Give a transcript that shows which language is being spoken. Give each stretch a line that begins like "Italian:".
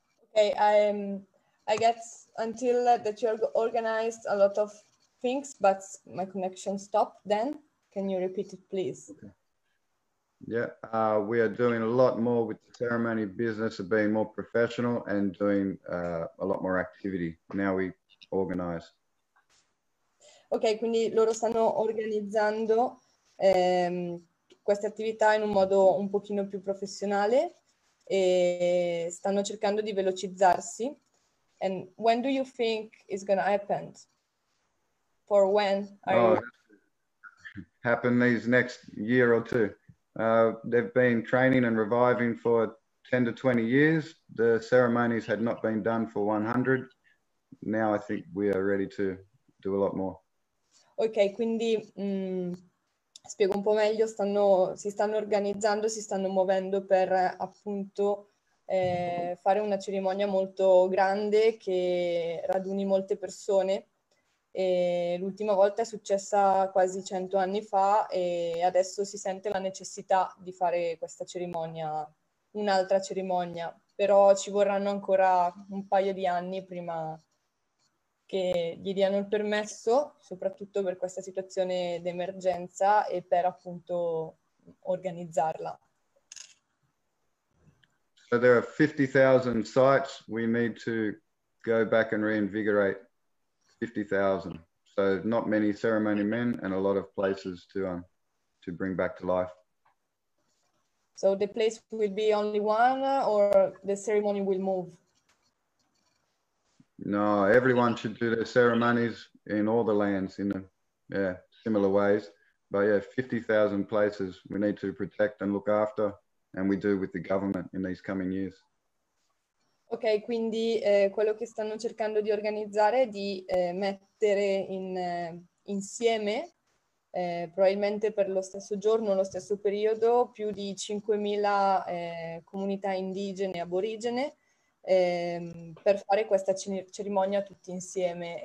English: Ok, I guess until that you organized a lot of things, but my connection stopped then. Can you repeat it, please? Okay. Yeah, we are doing a lot more with the ceremony business of being more professional and doing a lot more activity. Now we organize.
Italian: Ok, quindi loro stanno organizzando queste attività in un modo un pochino più professionale e stanno cercando di velocizzarsi.
English: And when do you think it's going to happen? For when are you? Happen these next year or two. They've been training and reviving for 10 to 20 years. The ceremonies had not been done for 100. Now I think we are ready to do a lot more.
Italian: Ok, quindi spiego un po' meglio. Si stanno organizzando, si stanno muovendo per appunto fare una cerimonia molto grande che raduni molte persone. E l'ultima volta è successa quasi 100 anni fa e adesso si sente la necessità di fare questa cerimonia, un'altra cerimonia, però ci vorranno ancora un paio di anni prima che gli diano il permesso, soprattutto per questa situazione d'emergenza e per appunto organizzarla.
English: So there are 50,000 sites we need to go back and reinvigorate. 50,000. So not many ceremony men and a lot of places to bring back to life. So the place will be only one or the ceremony will move? No, everyone should do their ceremonies in all the lands in similar ways. But yeah, 50,000 places we need to protect and look after. And we do with the government in these coming years.
Italian: Ok, quindi quello che stanno cercando di organizzare è di mettere insieme, probabilmente per lo stesso giorno, lo stesso periodo, più di 5.000 comunità indigene e aborigene per fare questa cerimonia tutti insieme.